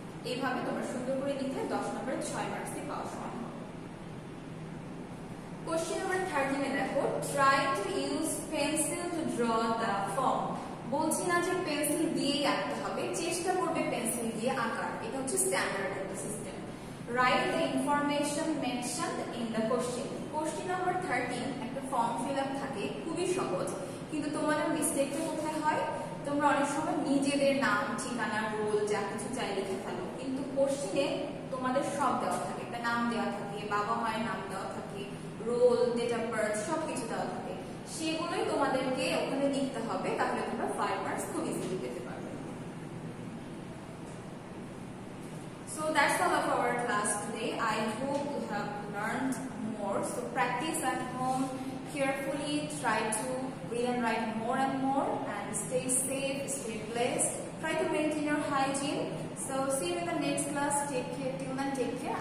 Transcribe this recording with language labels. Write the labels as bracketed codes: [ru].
[bn] এভাবে তোমরা সুন্দর করে লিখে 10 নম্বরে 6 মার্কস দিয়ে পাওয়া সম্ভব. [en] question number 13 [bn] এ দেখো, [en] try to use pencil to draw the form. [bn] বলছি না যে পেন্সিল দিয়েই আঁকতে হবে, চেষ্টা করবে পেন্সিল দিয়ে আঁকার, এটা হচ্ছে স্ট্যান্ডার্ড একটা system. [en] Write the information mentioned in the question. [bn] Question number 13 একটা ফর্ম ফিল আপ থাকে, খুবই সহজ, কিন্তু তোমাদের মিস্টেকটা কোথায় হয়, তোমরা অনেক সময় নিজেদের নাম, ঠিকানা, রোল, যা কিছু চাই লিখে ফেলো, কিন্তু কোশ্চেনে তোমাদের সব দেওয়া থাকে, একটা নাম দেওয়া থাকে, বাবা মায়ের নাম দেওয়া থাকে, রোল, ডেট অফ বার্থ, সব কিছু দেওয়া থাকে, সেগুলোই তোমাদেরকে ওখানে লিখতে হবে, তাহলে তোমরা 5 মার্কস খুব ইজিলি পেতে পারবে. [en] So that's all of our class today. I hope you have learned more. So practice at home carefully. Try to read and write more and more. Stay safe, stay blessed. Try to maintain your hygiene. So, see you in the next class. Take care. Till then, take care.